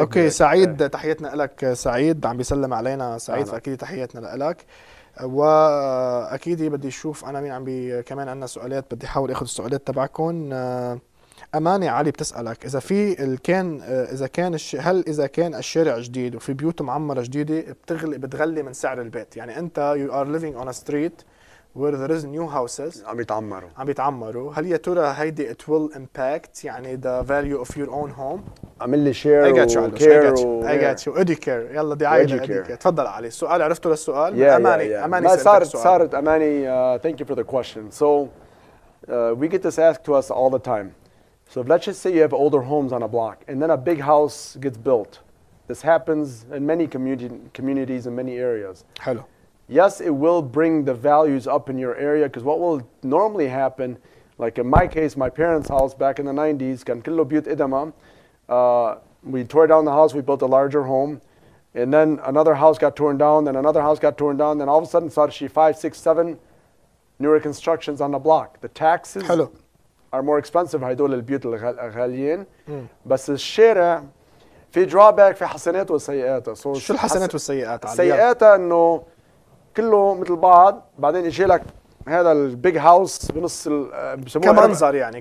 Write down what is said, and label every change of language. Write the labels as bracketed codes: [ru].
[ar] اوكي سعيد تحياتنا لك سعيد عم بيسلم علينا سعيد فاكيد تحياتنا لك واكيد بدي اشوف انا مين عم كمان عندنا سؤالات بدي احاول اخذ السؤالات تبعكم اماني علي بتسالك اذا في كان اذا كان هل اذا كان الشارع جديد وفي بيوت معمره جديده بتغلي من سعر البيت يعني انت [en] you are living on a street where there is new houses [ar] عم بيتعمروا هل يا ترى هيدي [en] it will impact [ar] يعني [en] the value of your own home [ar] عمل لي share [en] I got you [ar] Educare يلا دي عائلة Educare تفضل علي السؤال عرفته للسؤال أماني صارت أماني [en] thank you for the question so we get this asked to us all the time so let's just say you have older homes on a block and then a big house gets built this happens in many communities in many areas [ar] حلو [en] Yes, it will bring the values up in your area because what will normally happen, like in my case, my parents' house back in the 90s, [ar] كان كله بيوت إدمة. [en] We tore down the house, we built a larger home, and then another house got torn down, then another house got torn down, then all of a sudden, [ar] صار شي [en] 5, 6, 7 newer constructions on the block. The taxes Hello. Are more expensive, [ar] هيدول البيوت الغاليين. بس الشارع, في drawback في حسنات وسيئات. So شو الحسنات والسيئات؟ سيئاتها أنه كله مثل بعض بعدين يجي لك هذا البيج هاوس بنص بسموه كمنظر يعني